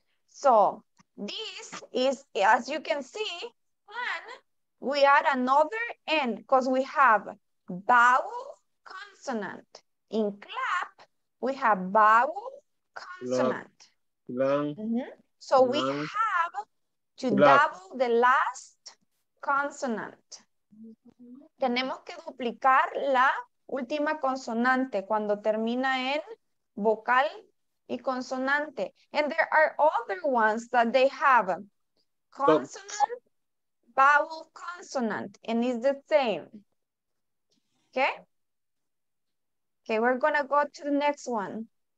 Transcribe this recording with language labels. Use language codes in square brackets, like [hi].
[en] So this is, as you can see, plan, we add another N because we have vowel consonant. In clap, we have vowel consonant. So we have to double the last consonant. [es] Tenemos que duplicar la última consonante cuando termina en vocal y consonante. [en] And there are other ones that they have. Consonant, vowel, consonant. And it's the same. Okay? Okay, we're going to go to the next one.